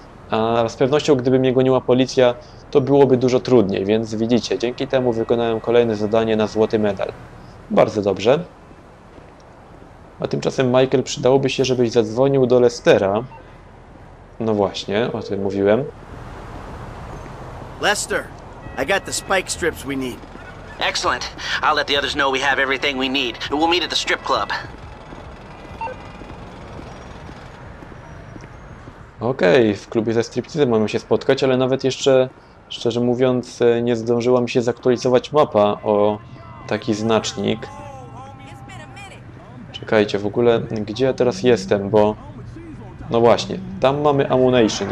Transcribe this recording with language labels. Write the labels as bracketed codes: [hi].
[pl] A z pewnością, gdyby mnie goniła policja, to byłoby dużo trudniej, więc widzicie, dzięki temu wykonałem kolejne zadanie na złoty medal. Bardzo dobrze. A tymczasem, Michael, przydałoby się, żebyś zadzwonił do Lestera. No właśnie, o tym mówiłem. [en] Lester, I got the spike strips we need. Excellent. I'll let the others know we have everything we need. We'll meet at the strip club. [pl] Okej, okay, w klubie ze stripteasy mamy się spotkać, ale nawet jeszcze, szczerze mówiąc, nie zdążyła mi się zaktualizować mapa o taki znacznik. Czekajcie, w ogóle, gdzie ja teraz jestem, bo... No właśnie, tam mamy Ammunition.